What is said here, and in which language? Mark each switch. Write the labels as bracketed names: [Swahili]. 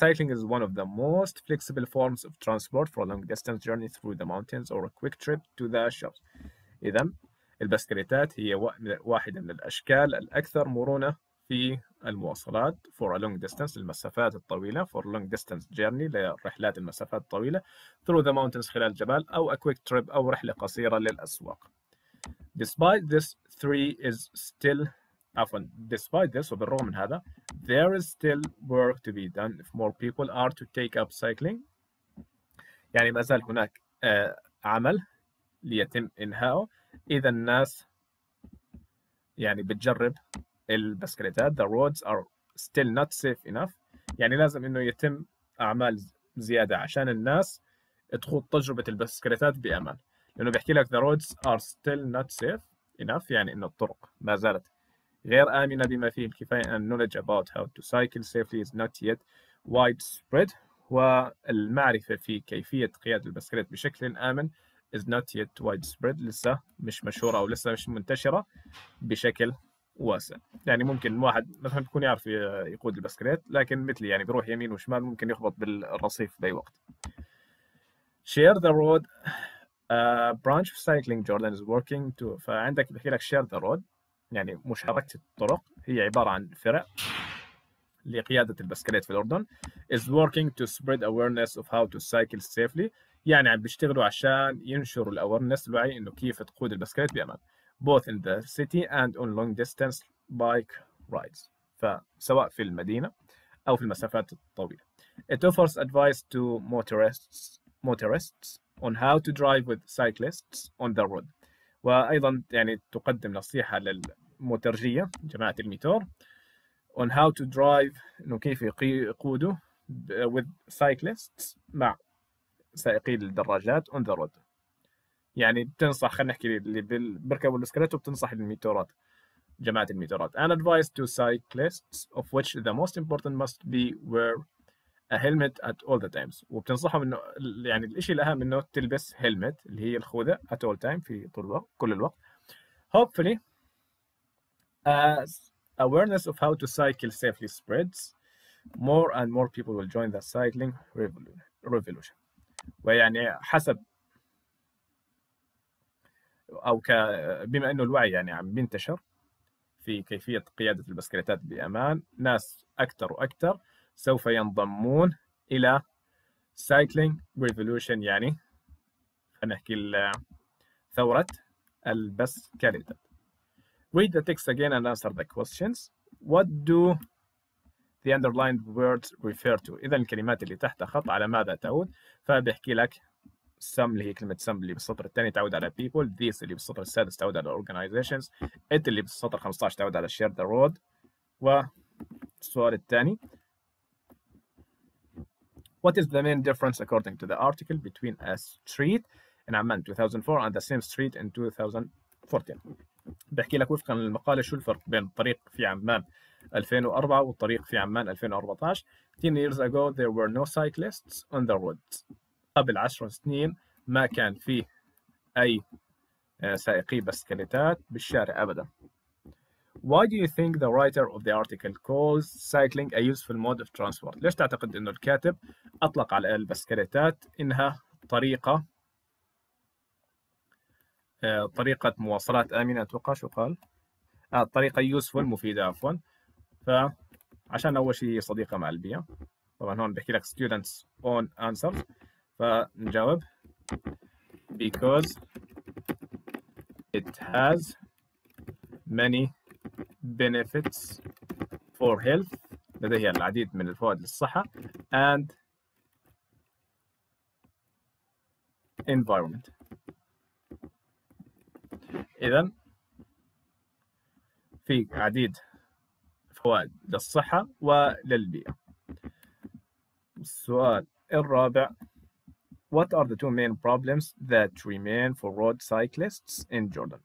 [English] Cycling is one of the most flexible forms of transport for a long distance journey through the mountains or a quick trip to the shops. [Arabic] إذن البسكليتات هي واحدة من الأشكال الأكثر مرونة في المواصلات [English] for a long distance, [Arabic] المسافات الطويلة, [English] for long distance journey, [Arabic] لرحلات المسافات الطويلة, [English] through the mountains, [Arabic] خلال الجبال, أو [English] a quick trip, [Arabic] أو رحلة قصيرة للأسواق. [English] Despite this, three is still, despite this, [Arabic] وبالرغم من هذا, [English] there is still work to be done if more people are to take up cycling. [Arabic] يعني ما زال هناك عمل ليتم إنهائه إذا الناس يعني بتجرب البسكليتات. [English] The roads are still not safe enough. [Arabic] يعني لازم إنه يتم أعمال زيادة عشان الناس تخوض تجربة البسكليتات بأمان. لأنه بيحكي لك [English] the roads are still not safe enough, [Arabic] يعني إنه الطرق ما زالت غير آمنة بما فيه الكفاية. [English] And knowledge about how to cycle safely is not yet widespread. [Arabic] والمعرفة في كيفية قيادة البسكليت بشكل آمن [English] is not yet widespread, [Arabic] لسه مش مشهورة أو لسه مش منتشرة بشكل واسع. يعني ممكن واحد مثلا يكون يعرف يقود البسكليت, لكن مثلي يعني بروح يمين وشمال ممكن يخبط بالرصيف بأي وقت. [English] Share the road, a branch of cycling Jordan is working to, [Arabic] فعندك بحكي لك [English] share the road, [Arabic] يعني مشاركة الطرق هي عبارة عن فرق لقيادة البسكليت في الأردن, [English] is working to spread awareness of how to cycle safely. [Arabic] يعني عم بيشتغلوا عشان ينشروا الأورنس, الوعي إنه كيف تقود البسكليت بأمان, [English] both in the city and on long distance bike rides, [Arabic] فسواء في المدينة أو في المسافات الطويلة. [English] It offers advice to motorists on how to drive with cyclists on the road. [Arabic] وأيضا يعني تقدم نصيحة للموترجية, جماعة الميتور, [English] on how to drive, [Arabic] إنه كيف يقودوا [English] with cyclists, [Arabic] مع سائقي الدراجات [English] on the road. [Arabic] يعني بتنصح, خلينا نحكي اللي بركبوا البسكليت وبتنصح الميتورات جماعة الميتارات. [English] An advice to cyclists of which the most important must be wear a helmet at all the times. [Arabic] وبتنصحهم إنه يعني الإشي الأهم إنه تلبس helmet اللي هي الخوذة [English] at all time [Arabic] في طول الوقت كل الوقت. [English] Hopefully as awareness of how to cycle safely spreads, more and more people will join the cycling revolution. [Arabic] ويعني حسب أو بما أنه الوعي يعني عم بينتشر في كيفية قيادة البسكليتات بأمان، ناس أكثر وأكثر سوف ينضمون إلى [English] cycling revolution، [Arabic] يعني نحكي ثورة البسكليتات. [English] Read the text again and answer the questions. What do the underlined words refer to? [Arabic] إذا الكلمات اللي تحت خط على ماذا تعود؟ فبيحكي لك some اللي هي كلمة some اللي بالسطر الثاني تعود على people, this اللي بالسطر السادس تعود على organizations, it اللي بالسطر 15 تعود على [English] share the road. [Arabic] والسؤال الثاني, [English] what is the main difference according to the article between a street in Amman 2004 and the same street in 2014؟ [Arabic] بحكي لك وفقا للمقالة شو الفرق بين الطريق في عمان 2004 والطريق في عمان 2014. [English] 10 years ago there were no cyclists on the roads. [Arabic] قبل 10 سنين ما كان فيه أي سائقي بسكليتات بالشارع أبدا. [English] Why do you think the writer of the article calls cycling a useful mode of transport? [Arabic] ليش تعتقد أنه الكاتب أطلق على البسكليتات إنها طريقة مواصلات آمنة؟ أتوقع شو قال؟ طريقة [English] useful [Arabic] مفيدة عفوا. فعشان أول شيء صديقة مع البيئة. طبعا هون بحكي لك [English] students own answers. [Arabic] فنجاوب [English] because it has many benefits for health, [Arabic] لديها العديد من الفوائد للصحة [English] and environment. [Arabic] إذن في عديد فوائد للصحة وللبيئة. السؤال الرابع, [English] what are the two main problems that remain for road cyclists in Jordan?